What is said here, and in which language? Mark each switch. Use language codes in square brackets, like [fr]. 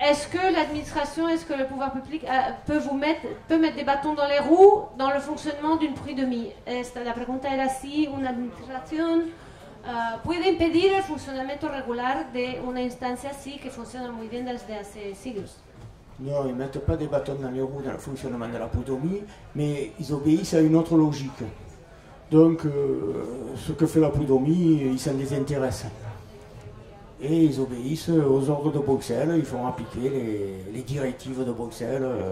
[fr] Est-ce que le pouvoir public peut mettre des bâtons dans les roues dans le fonctionnement d'une prud'homie ? [es] La pregunta era si [fr] une administration. [es] Puede impedir el funcionamiento regular de una instancia así que funciona muy bien desde hace siglos. [fr] No, ils mettent pas des bâtons dans les roues dans le fonctionnement de la prud'homie, mais ils obéissent à une autre logique. Donc, ce que fait la prud'homie, ils s'en désintéressent. Et ils obéissent aux ordres de Bruxelles, ils font appliquer les directives de Bruxelles.